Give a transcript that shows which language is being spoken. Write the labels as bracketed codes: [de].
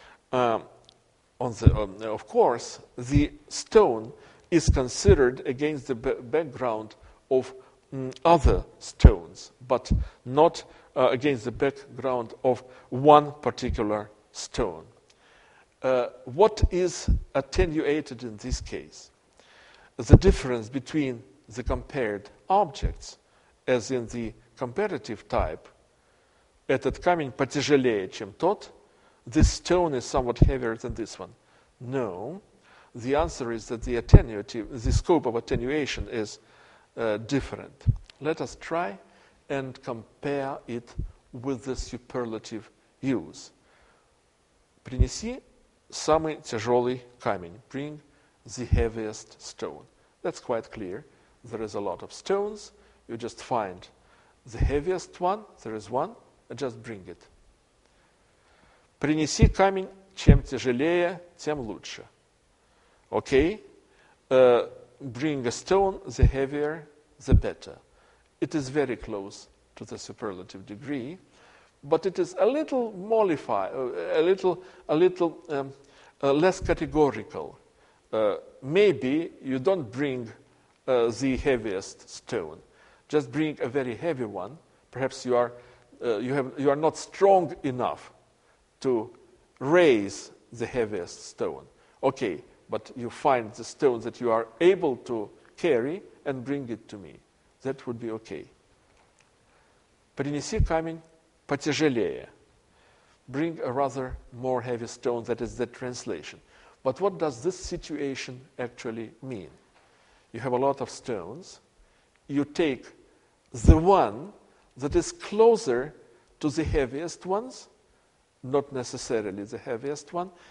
[en] Of course, the stone is considered against the background of other stones, but not against the background of one particular stone. What is attenuated in this case? The difference between the compared objects, as in the comparative type, [ru] этот камень потяжелее, чем тот? [en] This stone is somewhat heavier than this one. No. The answer is that the scope of attenuation is different. Let us try and compare it with the superlative use. [ru] Принеси самый тяжелый камень. [en] Bring the heaviest stone. That's quite clear. There is a lot of stones. You just find the heaviest one. There is one. Just bring it. [ru] Принеси камень, чем тяжелее, тем лучше. [en] Okay? Bring a stone, the heavier, the better. It is very close to the superlative degree, but it is less categorical. Maybe you don't bring the heaviest stone. Just bring a very heavy one. Perhaps you are not strong enough to raise the heaviest stone. Okay, but you find the stone that you are able to carry and bring it to me. That would be okay. [ru] Принеси камень потяжелее. [en] Bring a rather more heavy stone, that is the translation. But what does this situation actually mean? You have a lot of stones. You take the one that is closer to the heaviest ones, not necessarily the heaviest one.